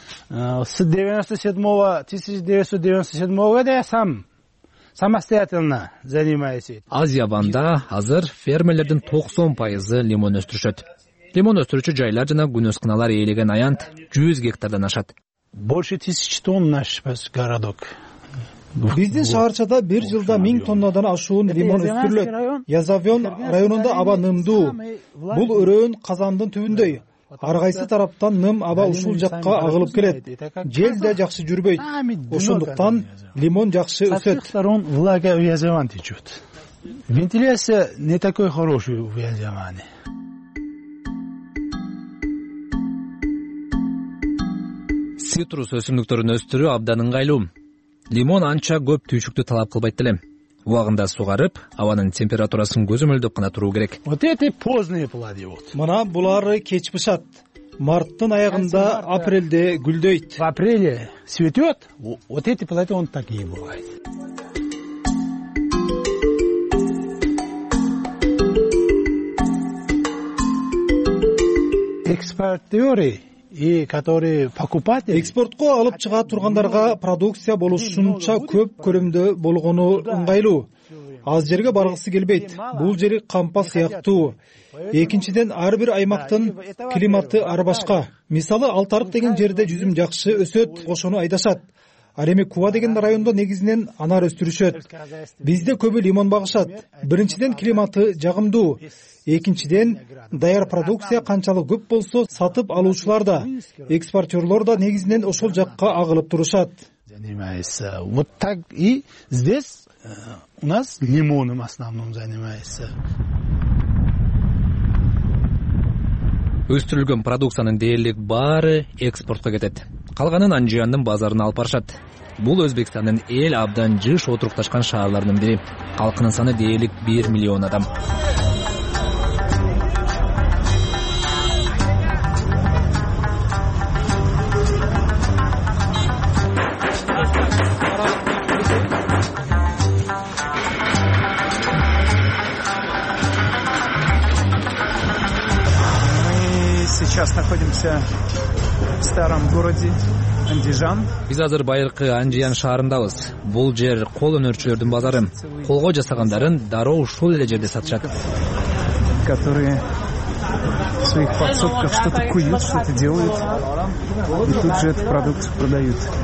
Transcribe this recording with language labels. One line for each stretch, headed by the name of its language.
Russian: С 1997 года я сам самостоятельно занимаюсь.
Kyrgyz: Азияванда азыр фермерлердин 90% лимон өстүрүшөт. Лимон өстүрүүчү жайлар жана күнөскналар ээлеген аянт 100 гектардан ашат.
Russian: Больше 1000 тонн наш городок.
Kyrgyz: Биздин шаарчада бир жылда 1000 тоннадан ашуун лимон өстүрүлөт. Язовён районунда аба нымдуу. Бул өрөөн казандын түбүндөй. Ар кайсы тараптан ным аба ушул жакка агылып келет. Жел да жакшы жүрбөйт. Ошондуктан лимон жакшы өсөт.
Russian: Сторон влага в Язовян течет. Вентиляция не такой хорошая в Язовяне.
Kyrgyz: Цитрус өсүмдүктөрүн өстүрүү абдан ыңгайлуу. Лимон анча көп түйшүктү талап кылбайт эле. Убагында сугарып, абанын температурасын көзөмөлдөп гана туруу керек.
Russian: Вот эти поздние плоды вот.
Kyrgyz: Мына булары кеч пышат. Марттын аягында, апрелде гүлдөйт.
Russian: В апреле цветёт. Вот эти плоды он такие бывают. Экспортёры и которые покупатели
Kyrgyz: экспортко алып чыга тургандарга продукция болушунча көп көлөмдө болгону ыңгайлуу. Аз жерге баргысы келбейт. Бул жери кампа сыяктуу. Экинчиден ар бир аймактын климаты ар башка. Мисалы Алтарык деген жерде жүзүм жакшы өсөт, ошону айдашат. Ал эми Куба деген райондо негизинен анар өстүрүшөт. Бизде көбү лимон багышат. Биринчиден климаты жагымдуу. Экинчиден даяр продукция канчалык көп болсо, сатып алуучулар да, экспортёрлор да негизинен ошол жакка агылып турушат.
Russian: Занимается. Вот так и здесь у нас лимоном в основном занимается.
Kyrgyz: Өстүрүлгөн продукциянын дээрлик баары экспортко кетет. Калганын Анжияндын базарына алып барышат. Бул Өзбекстандын эл абдан жыш отурукташкан шаарларынын бири. Калкынын саны дээрлик 1 миллион адам.
Russian: Сейчас находимся в старом городе Андижан.
Kyrgyz: Биз азыр байыркы Анжиян шаарындабыз. Бул жер кол өнөрчүлөрдүн базары. Колго жасагандарын дароо ушул эле жерде сатышат.
Russian: Которые в своих подсобках что-то куют, что-то делают. И тут же эту продукцию продают.